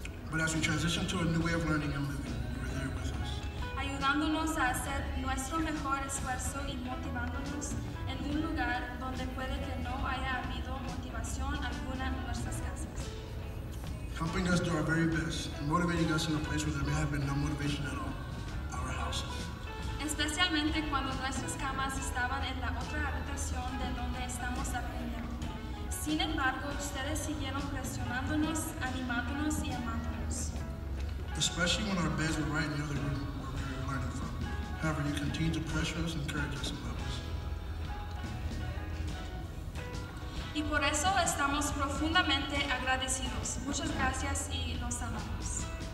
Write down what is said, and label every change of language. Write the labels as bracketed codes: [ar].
[en] But as we transitioned to a new way of learning and living, you were there with us. [es] Ayudaron ayudándonos a hacer nuestro mejor esfuerzo y motivándonos en un lugar donde puede que no haya habido motivación alguna en nuestras casas. [en] Helping us do our very best and motivating us in a place where there may have been no motivation at all, our houses. [es] Especialmente cuando nuestras camas estaban en la otra habitación de donde estamos aprendiendo. Sin embargo, ustedes siguieron presionándonos, animándonos y amándonos. [en] Especially when our beds were right in the other room where we were learning from. However, you continue to pressure us, encourage us, and love us. [es] Y por eso estamos profundamente agradecidos. Muchas gracias y los amamos.